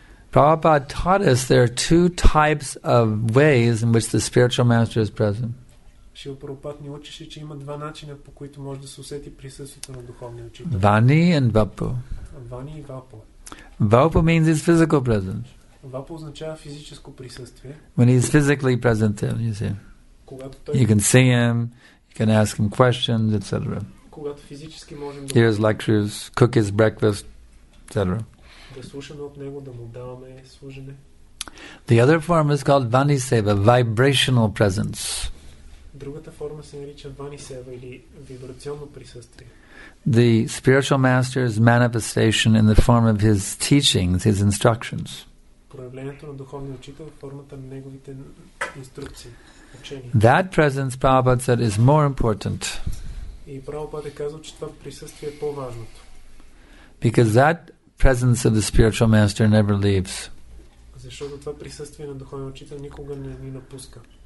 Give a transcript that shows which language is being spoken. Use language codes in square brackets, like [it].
[en] Prabhupada taught us there are two types of ways in which the spiritual master is present. [bg] Шрила Прабхупада ни учеше, че има два начина, по които може да се усети присъствието на духовния учител. [en] Vani and Vapu. [bg] Vani и Vapu. [en] Vapu means his physical presence. [bg] Vapu означава физическо присъствие. [en] When he is physically present, you see. You can see him, you can ask him questions, etc. [bg] Когато физически можем да. [en] Hear his lectures, cook his breakfast, etc. [bg] Да слушаме от него, да му даваме служене. [en] The other form is called Vani Seva, vibrational presence. [bg] Другата форма се нарича Vani Seva или вибрационно присъствие. [en] The spiritual master's manifestation in the form of his teachings, his instructions. [bg] Проявлението на духовния учител в формата на неговите инструкции, учения. [en] That presence, Prabhupada said, is more important. [bg] И Прабхупада казва, че това присъствие е по-важното. [en] Because that presence of the spiritual master never leaves. [bg] Защото това присъствие на духовния учител никога не ни напуска.